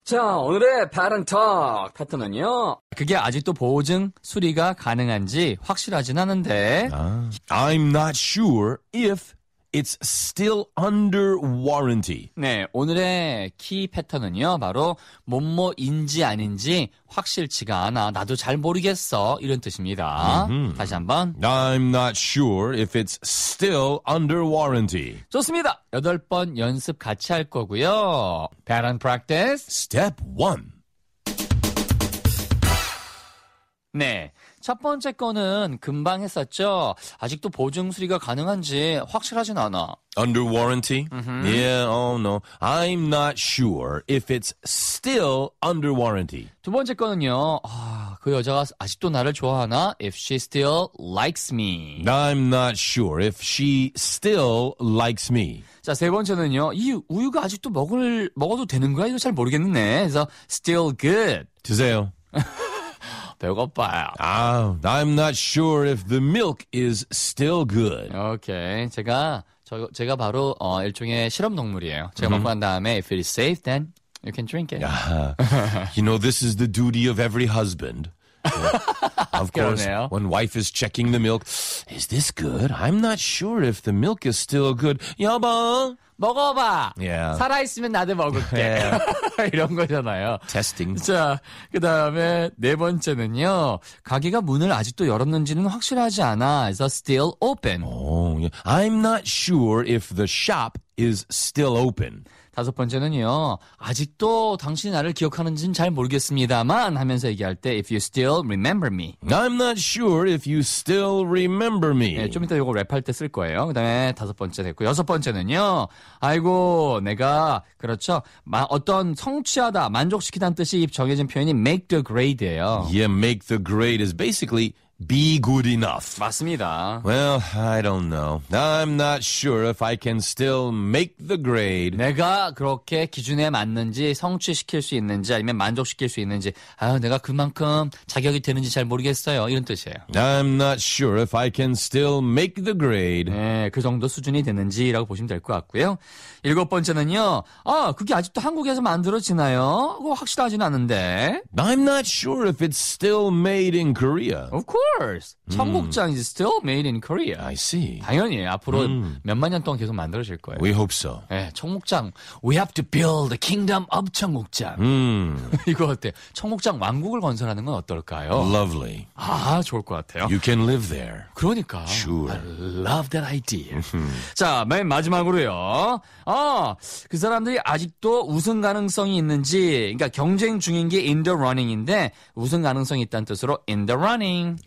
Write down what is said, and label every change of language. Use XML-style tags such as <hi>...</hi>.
<ko>자, 오늘의 Parent Talk 파트너는요. 그게 아직도 보증 수리가 가능한지 확실하진 않은데.</ko> <en>I'm not sure if it's still under warranty.</en> <ko>네, 오늘의 키 패턴은요. 바로 뭐뭐인지 아닌지 확실치가 않아. 나도 잘 모르겠어. 이런 뜻입니다. Mm-hmm. 다시 한번.</ko> <en>I'm not sure if it's still under warranty.</en> <ko>좋습니다. 여덟 번 연습 같이 할 거고요.</ko> <en>Pattern practice. Step 1.</en> <ko>네. 첫 번째 거는 금방 했었죠. 아직도 보증 수리가 가능한지 확실하진 않아.</ko> <en>Under warranty? Mm-hmm. Yeah, oh no. I'm not sure if it's still under warranty.</en> <ko>두 번째 거는요. 아, 그 여자가 아직도 나를 좋아하나?</ko> <en>If she still likes me. I'm not sure if she still likes me.</en> <ko>자, 세 번째는요. 이 우유가 아직도 먹어도 되는 거야? 이거 잘 모르겠네. 그래서 still good. 드세요. 배고파요.</ko> <en>I'm not sure if the milk is still good. Okay.</en> <ko>제가 바로 일종의 실험 동물이에요. 제가 먹고 난 다음에</ko> <en>if it is safe, then you can drink it. You know, this is the duty of every husband. Yeah. Of course, when wife is checking the milk, is this good? I'm not sure if the milk is still good.</en> <ko>여보, 먹어봐.</ko> <en>Yeah.</en> <ko>살아있으면 나도 먹을게.</ko> <en>Yeah.</en> <ko>이런 거잖아요.</ko> <en>Testing.</en> <ko>자, 그 다음에 네 번째는요. 가게가 문을 아직도 열었는지는 확실하지 않아.</ko> <en>So still open. Oh, yeah. I'm not sure if the shop is still open.</en> <ko>다섯 번째는요. 아직도 당신이 나를 기억하는지는 잘 모르겠습니다만 하면서 얘기할 때</ko> <en>if you still remember me. I'm not sure if you still remember me.</en> <ko>네, 좀 이따 이거 랩할 때 쓸 거예요. 그 다음에 다섯 번째 됐고 여섯 번째는요. 아이고 내가 그렇죠. 어떤 성취하다 만족시키다는 뜻이 정해진 표현이</ko> <en>make the grade</en> <ko>예요.</ko> <en>Yeah, make the grade is basically be good enough. 맞습니다. Well, I don't know. I'm not sure if I can still make the grade.</en> <ko>내가 그렇게 기준에 맞는지 성취시킬 수 있는지 아니면 만족시킬 수 있는지 내가 그만큼 자격이 되는지 잘 모르겠어요. 이런 뜻이에요.</ko> <en>I'm not sure if I can still make the grade.</en> <ko>네, 그 정도 수준이 되는지라고 보시면 될 것 같고요. 일곱 번째는요. 아, 그게 아직도 한국에서 만들어지나요? 그거 확실하지는 않은데.</ko> <en>I'm not sure if it's still made in Korea. Of course.</en> <ko>청국장</ko> <en>is still made in Korea. I see.</en> <ko>당연히 앞으로 몇만 년 동안 계속 만들어질 거예요.</ko> <en>We hope so.</en> <ko>네, 청국장.</ko> <en>We have to build the kingdom of</en> <ko>청국장. 이거 어때요? 청국장 왕국을 건설하는 건 어떨까요?</ko> <en>Lovely.</en> <ko>아, 좋을 것 같아요.</ko> <en>You can live there.</en> <ko>그러니까.</ko> <en>Sure. I love that idea.</en> <ko>자, 맨 마지막으로요. 그 사람들이 아직도 우승 가능성이 있는지, 그러니까 경쟁 중인 게</ko> <en>in the running</en> <ko>인데 우승 가능성이 있다는 뜻으로 in the running.</ko>